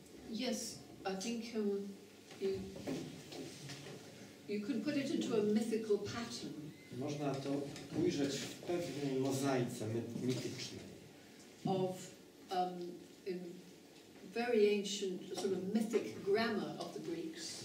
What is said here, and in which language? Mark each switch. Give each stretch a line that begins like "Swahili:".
English: Yes, I think you could put it into a mythical pattern.
Polish: Można to ujrzeć w pewnej mozaice mitycznej.
English: Of very ancient sort of mythic grammar of the Greeks.